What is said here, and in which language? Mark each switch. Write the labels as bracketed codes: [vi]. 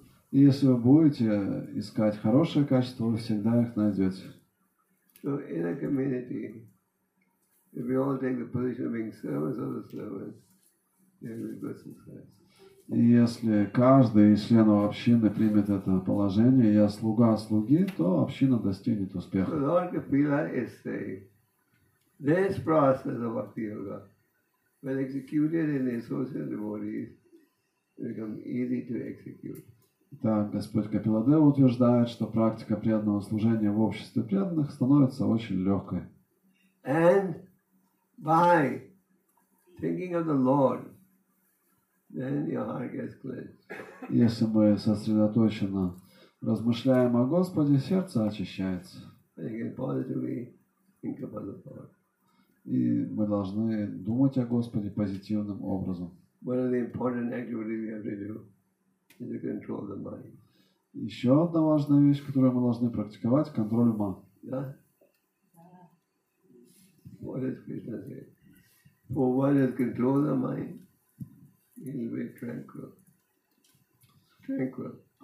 [ru] И если вы будете искать хорошее качество, вы всегда их найдете. [en] So in a community, if we all take the position of being servants of the servants, then we'll be good success. [ru] И если каждый из членов общины примет это положение, я слуга слуги, то община достигнет успеха. [en] So Lord Kapila is saying, this process of Bhakti Yoga, when executed in the associated devotees, become easy to execute. [ru] Так, Господь Капиладева утверждает, что практика преданного служения в обществе преданных становится очень легкой. [en] And by thinking of the Lord, then your heart gets cleansed. [ru] Если мы сосредоточенно размышляем о Господе, сердце очищается. И мы должны думать о Господе позитивным образом. [en] One of the important activities we have to do. To control the mind. [ru] Еще одна важная вещь, которую мы должны практиковать, контроль ума. [en] Yeah. What does Krishna say? For one who controls the mind, he will be tranquil. Tranquil.